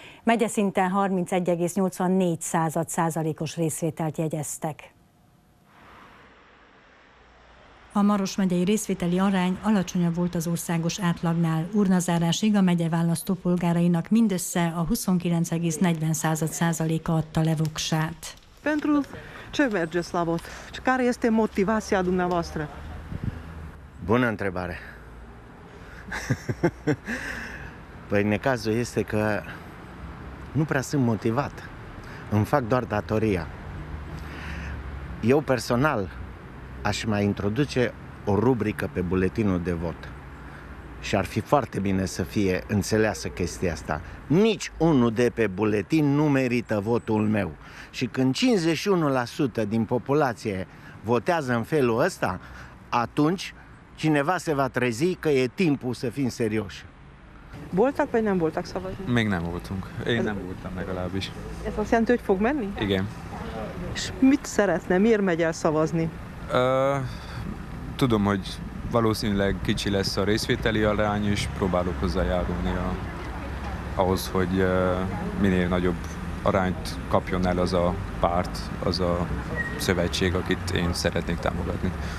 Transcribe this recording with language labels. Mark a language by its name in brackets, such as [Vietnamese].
[Hungarian] Megyeszinten 31,84%-os részvételt jegyeztek. A Maros megyei részvételi arány alacsonyabb volt az országos átlagnál. Urnazárásig a megye választópolgárainak mindössze a 29,40%-a adta le voksát. [Romanian] Pentru ce mergeți la vot? Care este motivația dumneavoastră? Bună întrebare. Păi necazul este că nu prea sunt motivat. Îmi fac doar datoria. Eu personal aș mai introduce o rubrică pe buletinul de vot. Și ar fi foarte bine să fie înțeleasă chestia asta. Nici unul de pe buletin nu merită votul meu. Și când 51% din populație votează în felul ăsta, atunci cineva se va trezi că e timpul să fim serioși. [Hungarian] Voltak vagy nem voltak szavazni? Még nem voltunk. Én nem voltam legalábbis. Ez azt jelenti, hogy fog menni? Igen. És mit szeretne? Miért megy el szavazni? Tudom, hogy valószínűleg kicsi lesz a részvételi arány, és próbálok hozzájárulni ahhoz, hogy minél nagyobb arányt kapjon el az a párt, az a szövetség, akit én szeretnék támogatni.